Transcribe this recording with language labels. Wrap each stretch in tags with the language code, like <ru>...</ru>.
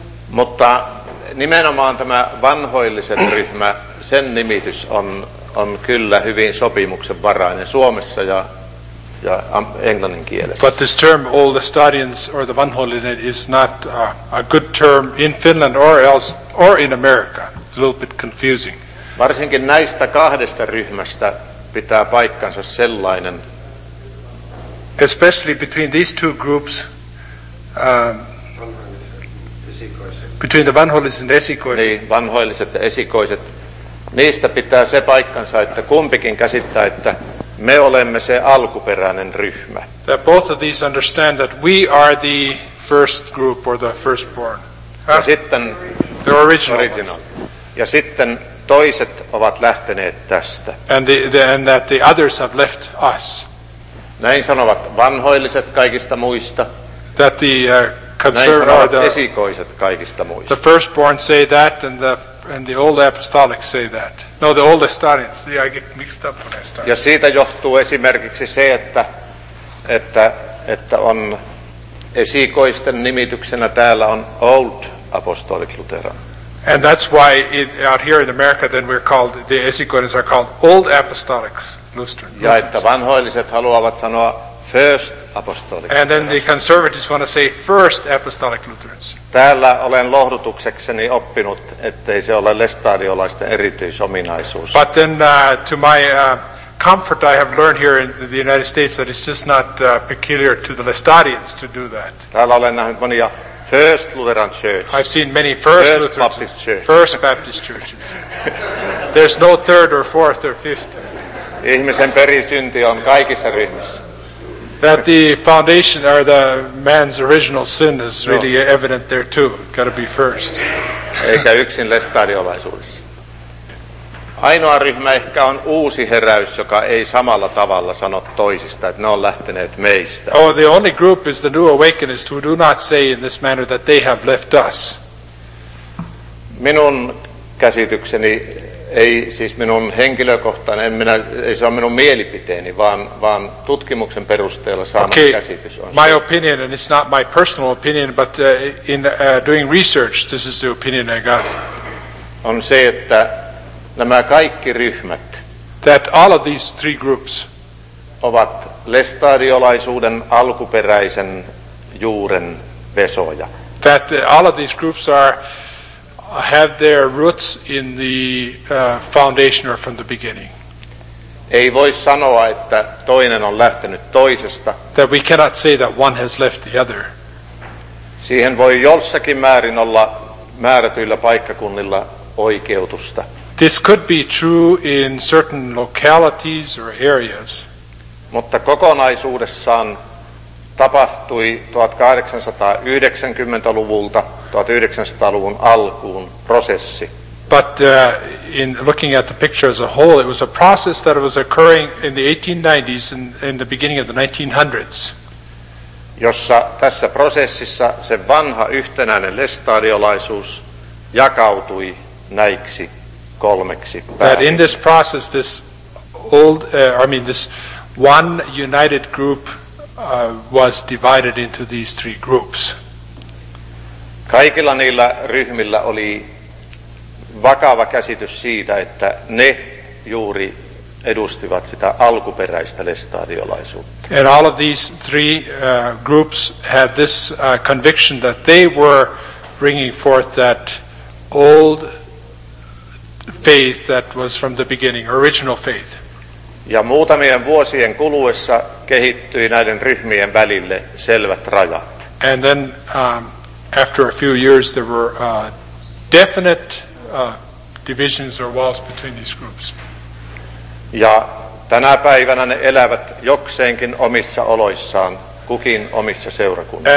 <fi>Mutta nimenomaan tämä vanhoilliset ryhmä, sen nimitys on kyllä hyvin sopimuksen varainen Suomessa ja englannin kielessä.</fi> <en>But this term old estadians or the vanhoillinen is not a good term in Finland or else or in America. It's a little bit confusing.</en> <fi>Varsinkin näistä kahdesta ryhmästä pitää paikkansa sellainen.</fi> <en>Especially between these two groups, between the vanhoilliset and esikoiset.</en> <fi>Niin, vanhoilliset ja esikoiset. Niistä pitää se paikkansa, että kumpikin käsittää, että me olemme se alkuperäinen ryhmä.</fi> <en>That both of these understand that we are the first group or the firstborn.</en> <fi>Ja sitten,</fi> <en>the original.</en> <fi>Ja sitten toiset ovat lähteneet tästä.</fi> <en>And that the others have left us.</en> <fi>Näin sanovat vanhoilliset kaikista muista.</fi> <en>That the</en> <fi>esikoiset kaikista muista.</fi> <en>The firstborn say that and the old apostolic say that. No, the old estadians. Yeah, I get mixed up when I start.</en> <fi>Ja siitä johtuu esimerkiksi se, että on esikoisten nimityksenä täällä on old apostolic Lutheran.</fi> <en>And that's why out here in America then we're called, the esikoiset are called old apostolic Lutherans.</en> <fi>Ja että vanhoilliset haluavat sanoa first apostolic.</fi> <en>And then the conservatives want to say first apostolic Lutherans.</en> <fi>Täällä olen lohdutuksekseni oppinut, ettei se ole lestadiolaisten erityisominaisuus.</fi> <en>But then to my comfort I have learned here in the United States that it's just not peculiar to the lestadians to do that.</en> <fi>Täällä olen nähnyt monia first Lutheran church.</fi> <en>I've seen many first Lutheran Baptist church. First Baptist churches. There's no third or fourth or fifth.</en> <fi>Ihmisen perisynti on kaikissa ryhmissä.</fi> <en>That the foundation or the man's original sin is really evident there too. Got to be first.</en> <fi>Eikä yksin lestadiolaisuudessa. Ainoa ryhmä ehkä on uusi heräys, joka ei samalla tavalla sano toisista, että ne on lähteneet meistä.</fi> <en>Oh, the only group is the new awakenist who do not say in this manner that they have left us.</en> <fi>Minun käsitykseni ei siis minun henkilökohtainen, ei se ole minun mielipiteeni, vaan tutkimuksen perusteella saama käsitys on.</fi> <en>My opinion, and it's not my personal opinion, but in doing research, this is the opinion I got.</en> <fi>On se, että nämä kaikki ryhmät,</fi> <en>that all of these three groups,</en> <fi>ovat lestadiolaisuuden alkuperäisen juuren vesoja.</fi> <en>That all of these groups are have their roots in the foundation or from the beginning.</en> <fi>Ei voi sanoa, että toinen on lähtenyt toisesta.</fi> <en>That we cannot say that one has left the other.</en> <fi>Siihen voi jossakin määrin olla määrätyillä paikkakunnilla oikeutusta.</fi> <en>This could be true in certain localities or areas.</en> <fi>Mutta kokonaisuudessaan tapahtui 1890-luvulta 1900-luvun alkuun prosessi.</fi> <en>But in looking at the picture as a whole, it was a process that was occurring in the 1890s and in the beginning of the 1900s.</en> <fi>Jossa tässä prosessissa se vanha yhtenäinen lestadiolaisuus jakautui näiksi kolmeksi.</fi> <en>That in this process, this old, this one united group was divided into these three groups.</en> <fi>Kaikilla niillä ryhmillä oli vakava käsitys siitä, että ne juuri edustivat sitä alkuperäistä lestadiolaisuutta.</fi> <en>And all of these three groups had this conviction that they were bringing forth that old faith that was from the beginning, original faith.</en> <fi>Ja muutamien vuosien kuluessa kehittyi näiden ryhmien välille selvät rajat.</fi> <en>And then after a few years there were definite divisions or walls between these groups.</en> <fi>Ja tänä päivänä ne elävät jokseenkin omissa oloissaan, kukin omissa seurakunnissa.</fi>